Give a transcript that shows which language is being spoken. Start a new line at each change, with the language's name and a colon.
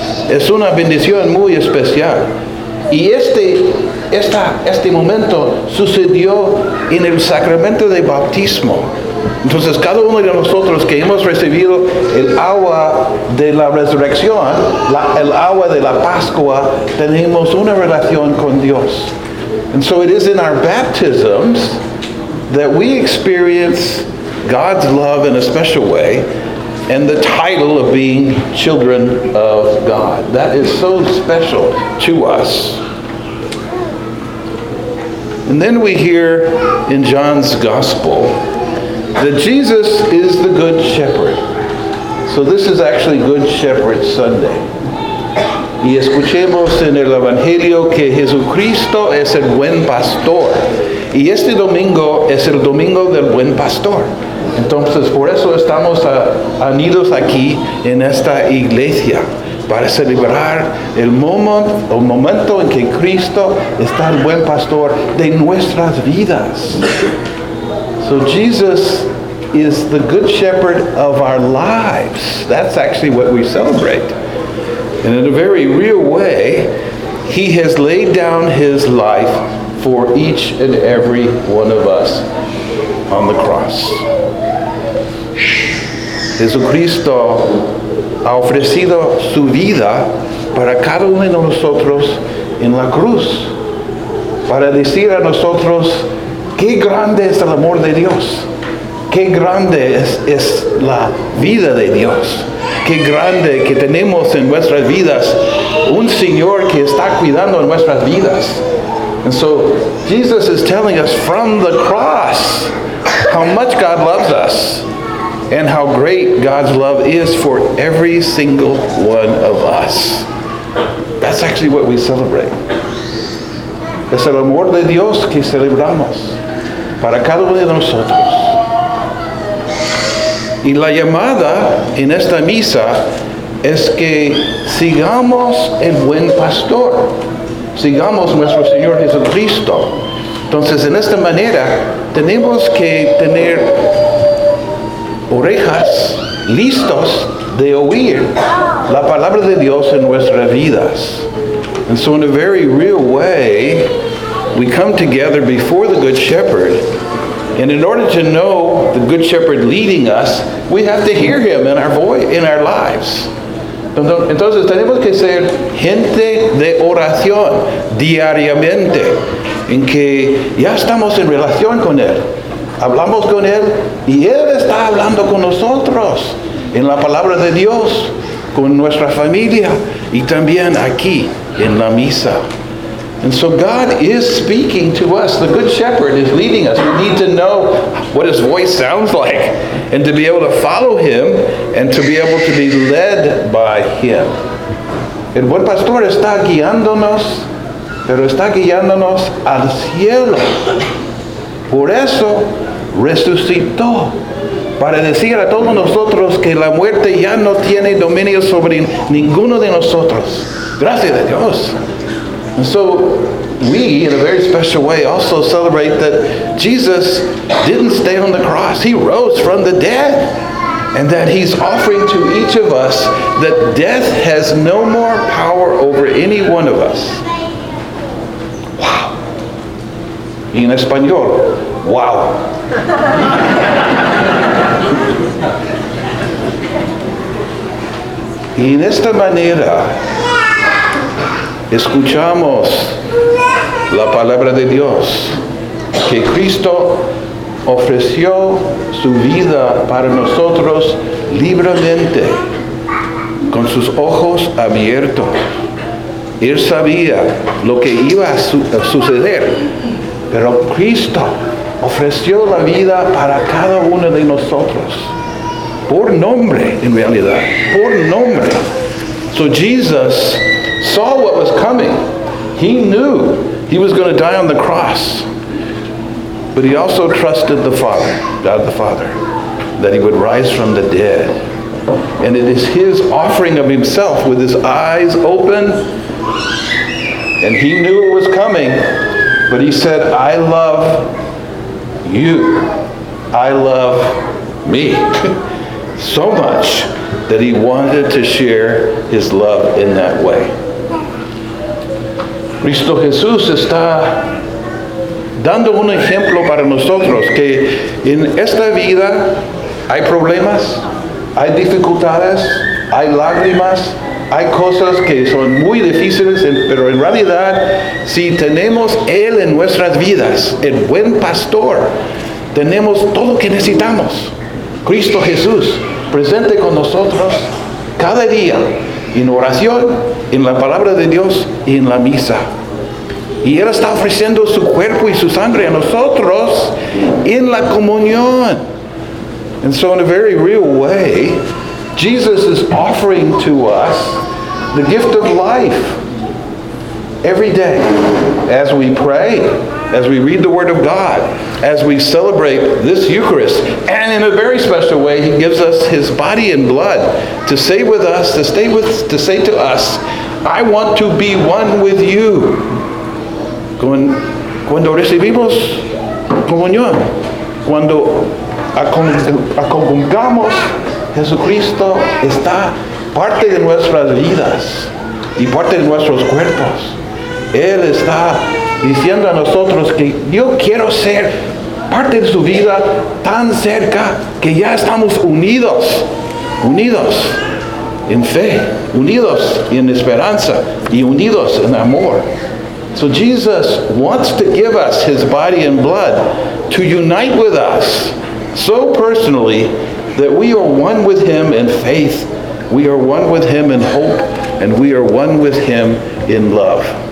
Spanish: Es una bendición muy especial. Y este momento sucedió en el sacramento de bautismo. Entonces, cada uno de nosotros que hemos recibido el agua de la resurrección, el agua de la Pascua, tenemos una relación con Dios.
English: And so it is in our baptisms that we experience God's love in a special way, and the title of being children of God. That is so special to us. And then we hear in John's Gospel that Jesus is the Good Shepherd. So this is actually Good Shepherd Sunday.
Spanish: Y escuchemos en el Evangelio que Jesucristo es el Buen Pastor. Y este domingo es el Domingo del Buen Pastor. Entonces, por eso estamos unidos aquí en esta iglesia, para celebrar el momento en que Cristo está el Buen Pastor de nuestras vidas.
English: So Jesus is the Good Shepherd of our lives. That's actually what we celebrate. And in a very real way, he has laid down his life for each and every one of us on the cross.
Spanish: Jesucristo ha ofrecido su vida para cada uno de nosotros en la cruz, para decir a nosotros, qué grande es el amor de Dios, qué grande es la vida de Dios, qué grande que tenemos en nuestras vidas un Señor que está cuidando nuestras vidas.
English: And so Jesus is telling us from the cross how much God loves us and how great God's love is for every single one of us. That's actually what we celebrate.
Spanish: Es el amor de Dios que celebramos para cada uno de nosotros. Y la llamada en esta misa es que sigamos el buen pastor. Sigamos nuestro Señor Jesucristo. Entonces, en esta manera, tenemos que tener orejas listos de oír la palabra de Dios en nuestras vidas.
English: And so, in a very real way, we come together before the Good Shepherd. And in order to know the Good Shepherd leading us, we have to hear him in our voice, in our lives.
Spanish: Entonces, tenemos que ser gente de oración diariamente, en que ya estamos en relación con él. Hablamos con él y él está hablando con nosotros en la palabra de Dios, con nuestra familia y también aquí en la misa.
English: And so God is speaking to us. The Good Shepherd is leading us. We need to know what his voice sounds like and to be able to follow him and to be able to be led by him.
Spanish: El buen pastor está guiándonos, pero está guiándonos al cielo. Por eso resucitó, para decir a todos nosotros que la muerte ya no tiene dominio sobre ninguno de nosotros. Gracias a Dios.
English: And so we, in a very special way, also celebrate that Jesus didn't stay on the cross. He rose from the dead. And that he's offering to each of us that death has no more power over any one of us.
Spanish: Wow. Y en español, wow. Y en esta manera, escuchamos la palabra de Dios, que Cristo ofreció su vida para nosotros libremente, con sus ojos abiertos. Él sabía lo que iba a suceder, pero Cristo ofreció la vida para cada uno de nosotros, por nombre, en realidad, por nombre.
English: So Jesus saw what was coming. He knew he was going to die on the cross. But he also trusted the Father, God the Father, that he would rise from the dead. And it is his offering of himself with his eyes open. And he knew it was coming. But he said, I love you. I love me. So much that he wanted to share his love in that way.
Spanish: Cristo Jesús está dando un ejemplo para nosotros que en esta vida hay problemas, hay dificultades, hay lágrimas, hay cosas que son muy difíciles, pero en realidad, si tenemos Él en nuestras vidas, el buen pastor, tenemos todo lo que necesitamos. Cristo Jesús presente con nosotros cada día en oración, en la palabra de Dios y en la misa. Y Él está ofreciendo su cuerpo y su sangre a nosotros en la comunión.
English: And so in a very real way, Jesus is offering to us the gift of life every day as we pray, as we read the Word of God, as we celebrate this Eucharist. And in a very special way, He gives us His body and blood to stay with us, to say to us, I want to be one with you.
Spanish: Cuando recibimos comunión, cuando acongamos, Jesucristo está parte de nuestras vidas y parte de nuestros cuerpos. Él está diciendo a nosotros que yo quiero ser parte de su vida tan cerca que ya estamos unidos, unidos en fe, unidos en esperanza y unidos en amor.
English: So Jesus wants to give us his body and blood to unite with us so personally that we are one with him in faith, we are one with him in hope, and we are one with him in love.